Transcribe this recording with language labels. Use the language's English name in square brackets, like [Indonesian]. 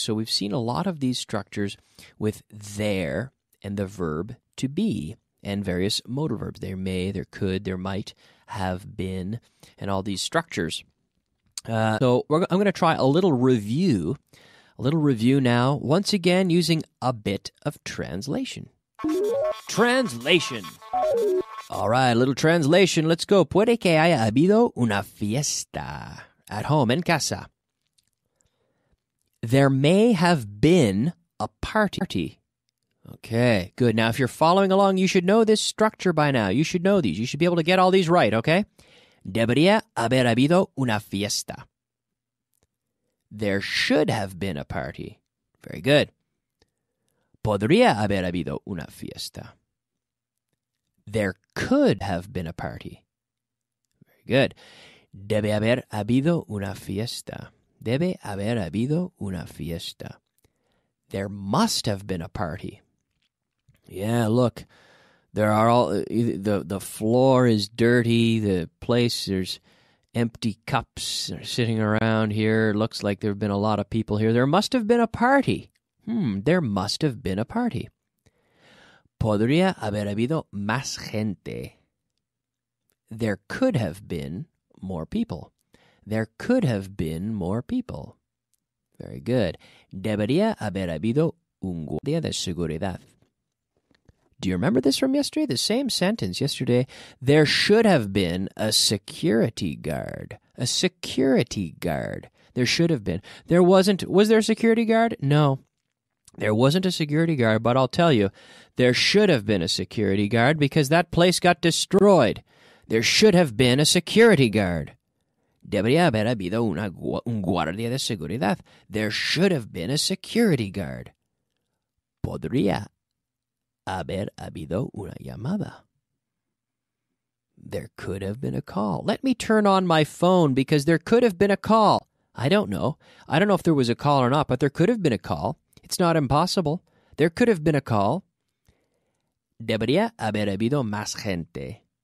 [English] So we've seen a lot of these structures with there and the verb to be and various modal verbs. There may, there could, there might have been, and all these structures. I'm going to try a little review now, once again using a bit of translation. Translation. All right, a little translation. Let's go. [Spanish] Puede que haya habido una fiesta [English] at home, [Spanish] en casa. [English] There may have been a party. Okay, good. Now, if you're following along, you should know this structure by now. You should know these. You should be able to get all these right, okay? [Spanish] Debería haber habido una fiesta. [English] There should have been a party. Very good. [Spanish] Podría haber habido una fiesta. [English] There could have been a party. Very good. [Spanish] Debe haber habido una fiesta. Debe haber habido una fiesta. [English] There must have been a party. Yeah, look. There are all the floor is dirty, the place there's empty cups sitting around here. It looks like there've been a lot of people here. There must have been a party. There must have been a party. [Spanish] Podría haber habido más gente. [English] There could have been more people. There could have been more people. Very good. [Spanish] Debería haber habido un guardia de seguridad. [English] Do you remember this from yesterday? The same sentence yesterday. There should have been a security guard. A security guard. There should have been. There wasn't. Was there a security guard? No. There wasn't a security guard, but I'll tell you, there should have been a security guard because that place got destroyed. There should have been a security guard. [Spanish] Debería haber habido un guardia de seguridad. [English] There should have been a security guard. [Spanish] Podría haber habido una llamada. [English] There could have been a call. Let me turn on my phone because there could have been a call. I don't know. I don't know if there was a call or not, but there could have been a call. It's not impossible. There could have been a call. [Spanish] Debería haber habido más gente.